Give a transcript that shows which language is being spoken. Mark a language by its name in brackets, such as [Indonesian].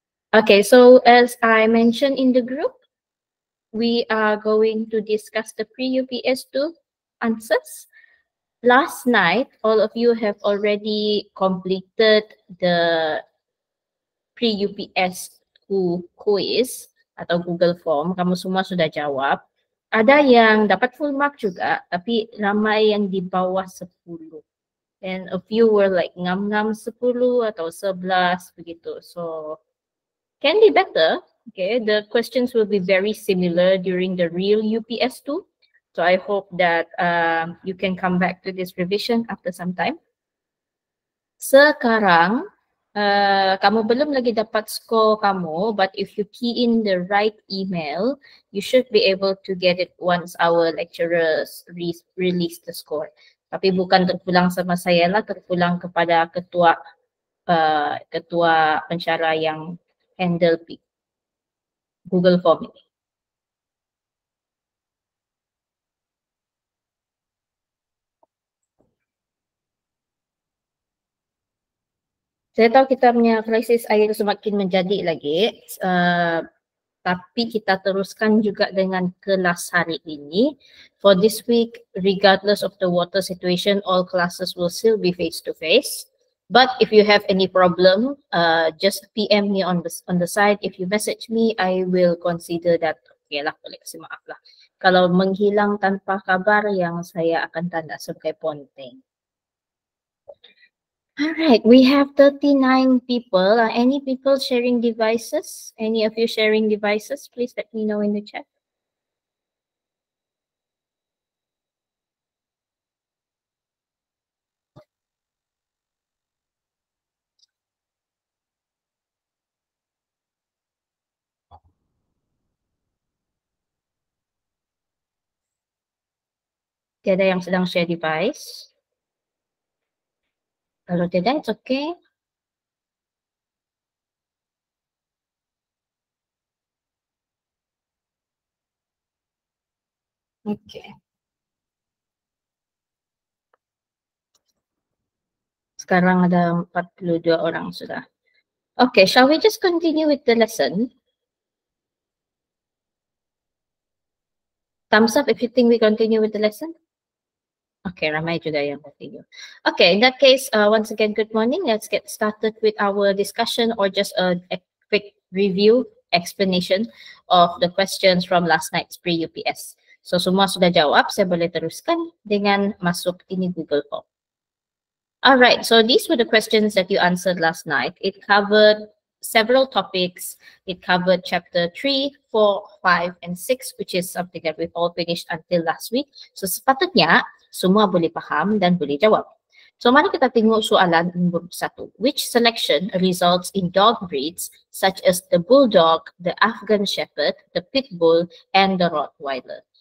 [English] Okay, so as I mentioned in the group, we are going to discuss the pre-UPS2 answers. Last night, all of you have already completed the pre-UPS2 quiz [Malay] atau [English] Google Form. [Malay] Kamu semua sudah jawab. Ada yang dapat full mark juga, tapi ramai yang di bawah 10. [English] And a few were like [Malay] ngam-ngam 10 atau 11 begitu. [English] So, can be better. Okay, the questions will be very similar during the real UPS2. So I hope that you can come back to this revision after some time. [Malay] Sekarang, kamu belum lagi dapat score kamu, [English] but if you key in the right email, you should be able to get it once our lecturers release the score. [Malay] Tapi bukan terpulang sama saya lah, terpulang kepada ketua pensyarah yang handle Google Form ini. Saya tahu kita punya krisis air semakin menjadi lagi, tapi kita teruskan juga dengan kelas hari ini. [English] For this week, regardless of the water situation, all classes will still be face-to-face. But if you have any problem, just PM me on the side. If you message me, I will consider that. [Malay] Okay lah, boleh kasih maaf lah. Kalau menghilang tanpa kabar, yang saya akan tanda sebagai ponteng. [English] All right, we have 39 people. Are any people sharing devices? Any of you sharing devices? Please let me know in the chat. [Malay] Tiada yang sedang share device. Kalau tidak, [English] it's okay. Okay. [Malay] Sekarang ada 42 orang sudah. [English] Okay, shall we just continue with the lesson? Thumbs up if you think we continue with the lesson. Okay, [Malay] ramai juga yang [English] continue. Okay, in that case, once again, good morning. Let's get started with our discussion or just a quick review, explanation of the questions from last night's pre-UPS. [Malay] So, semua sudah jawab, saya boleh teruskan dengan masuk ini Google Form. [English] All right, so these were the questions that you answered last night. It covered several topics. It covered chapter 3, 4, 5, and 6, which is something that we've all finished until last week. [Malay] So, sepatutnya semua boleh faham dan boleh jawab. So, mari kita tengok soalan nombor 1. [English] Which selection results in dog breeds such as the bulldog, the Afghan shepherd, the pit bull, and the Rottweiler?